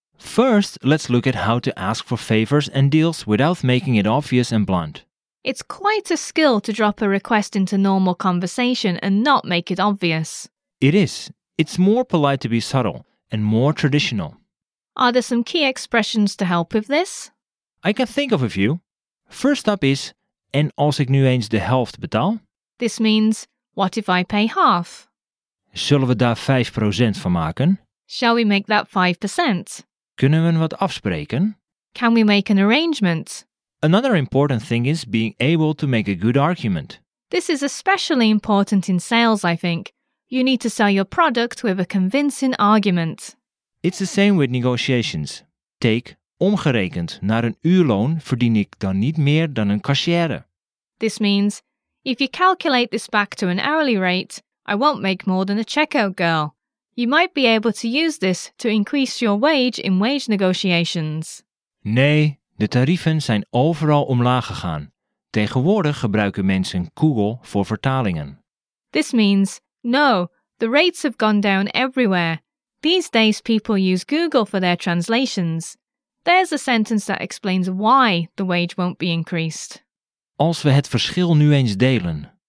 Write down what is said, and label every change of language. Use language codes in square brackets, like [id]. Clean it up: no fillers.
[en] First, let's look at how to ask for favors and deals without making it obvious and blunt. It's quite a skill to drop a request into normal conversation and not make it obvious. It is. It's more polite to be subtle and more traditional. Are there some key expressions to help with this? I can think of a few. First up is, [nl] en als ik nu eens de helft betaal? [en] This means, what if I pay half? [nl] Zullen we daar 5% van maken? [en] Shall we make that 5%? [nl] Kunnen we wat afspreken? [en] Can we make an arrangement? Another important thing is being able to make a good argument. This is especially important in sales, I think. You need to sell your product with a convincing argument. It's the same with negotiations. Take, [nl] omgerekend naar een uurloon verdien ik dan niet meer dan een cashière. [en] This means, if you calculate this back to an hourly rate, I won't make more than a checkout girl. You might be able to use this to increase your wage in wage negotiations. [nl] Nee, de tarieven zijn overal omlaag gegaan. Tegenwoordig gebruiken mensen Google voor vertalingen. [en] This means, no, the rates have gone down everywhere. These days people use Google for their translations. There's a sentence that explains why the wage won't be increased. [nl] Als we het verschil nu eens delen.